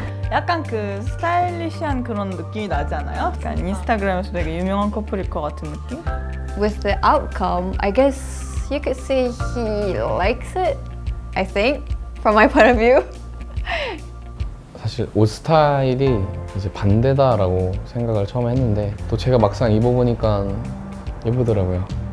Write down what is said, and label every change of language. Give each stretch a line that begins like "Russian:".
Korean: 약간 그 스타일리시한 그런 느낌이 나지 않아요? 약간 인스타그램에서 되게 유명한 커플일 것 같은 느낌?
English: With the outcome, I guess you could say he likes it, I think, from my point of view.
Korean: 사실 옷 스타일이 이제 반대다라고 생각을 처음 했는데 또 제가 막상 입어보니까 예쁘더라고요.